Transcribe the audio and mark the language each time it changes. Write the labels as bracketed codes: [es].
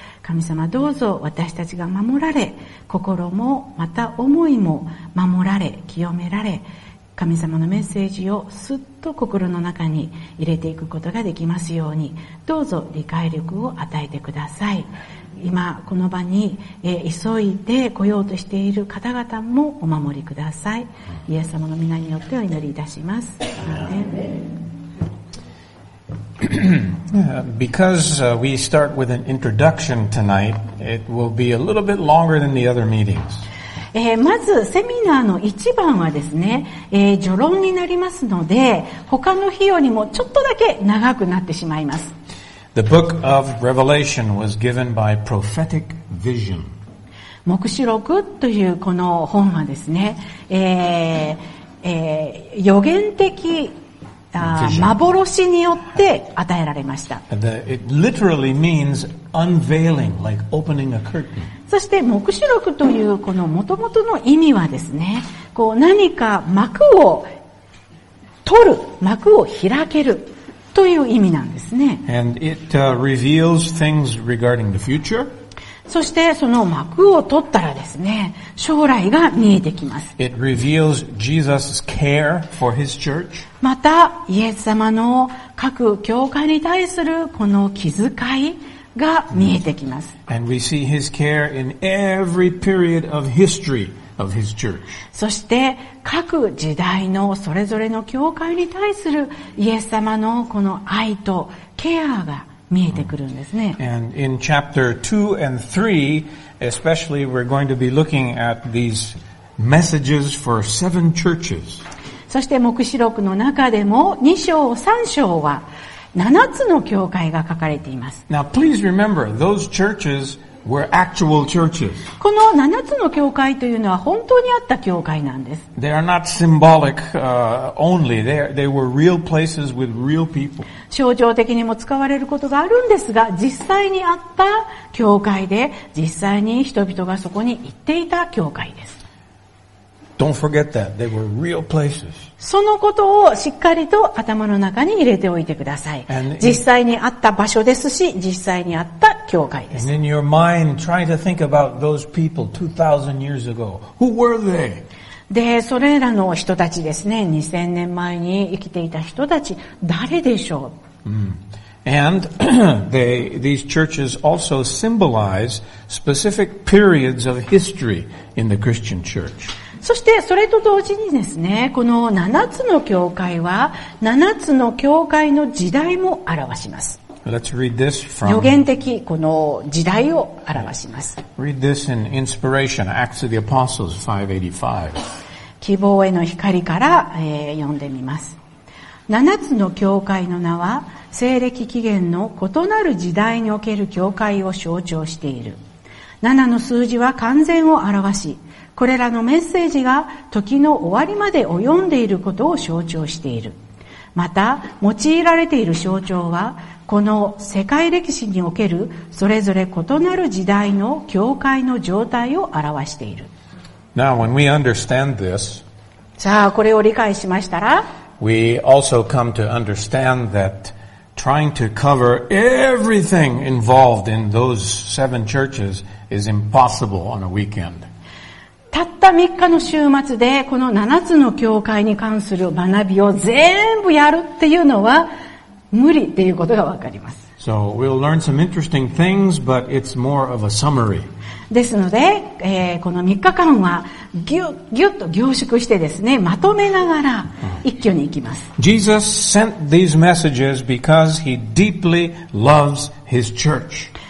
[ja] 神様、どうぞ私たちが守られ、心もまた思いも守られ、清められ、神様のメッセージをすっと心の中に入れていくことができますように、どうぞ理解力を与えてください。今この場に急いで来ようとしている方々もお守りください。イエス様の御名によってお祈りいたします。 [en] Because we start with an introduction tonight, it will be a little bit longer than the other meetings. [ja] まずセミナーの一番はですね、序論になりますので、他の日よりもちょっとだけ長くなってしまいます。 [en] The book of Revelation was given by prophetic vision. [ja] 黙示録というこの本はですね、予言的幻によって与えられました。 [en] It literally means unveiling, like opening a curtain. [ja] そして黙示録というこの元々の意味はですね、こう何か幕を取る、幕を開けるという意味なんですね。 [en] And it, reveals things regarding the future. [ja] そしてその幕を取ったらですね、将来が見えてきます。 [en] It reveals Jesus' care for his church. [ja] またイエス様の各教会に対するこの気遣いが見えてきます。 [en] And we see his care in every period of history. Of his church. [ja] そして各時代のそれぞれの教会に対するイエス様のこの愛とケアが見えてくるんですね。 [en] And in chapter 2 and 3, especially we're going to be looking at these messages for seven churches. [ja] そして黙示録の中でも2章3章は7つの教会が書かれています。 [en] Now please remember, those churches were actual churches. [ja] この7つの教会というのは本当にあった教会なんです。 [en] They are not symbolic, only. They were real places with real people. [ja] 象徴的にも使われることがあるんですが、実際にあった教会で、実際に人々がそこに行っていた教会です。 [en] Don't forget that. They were real places. [ja] そのことをしっかりと頭の中に入れておいてください。実際にあった場所ですし、実際にあった教会です。 [en] And in your mind, try to think about those people 2,000 years ago. Who were they? [ja] で、それらの人たちですね、2000年前に生きていた人たち、誰でしょう? [en] And these churches also symbolize specific periods of history in the Christian church. [ja] そしてそれと同時にですね、この7つの教会は7つの教会の時代も表します。予言的この時代を表します。 [en] Read this in inspiration, Acts of the Apostles 585. [ja] 希望への光から、読んでみます。7つの教会の名は西暦紀元の異なる時代における教会を象徴している。 7の数字は完全を表し、これらのメッセージが時の終わりまで及んでいることを象徴している。また、用いられている象徴は、この世界歴史におけるそれぞれ異なる時代の教会の状態を表している。 [en] Now, when we understand this, [ja] じゃあ、これを理解しましたら、 [en] we also come to understand that trying to cover everything involved in those seven churches is impossible on a weekend. [ja] たった3日の週末でこの7つの教会に関する学びを全部やるっていうのは無理っていうことがわかります。 [en] So we'll learn some interesting things, but it's more of a summary. [ja] ですので、この3日間はぎゅっと凝縮してですね、まとめながら一挙に行きます。 [en] Jesus sent these messages because he deeply loves his church.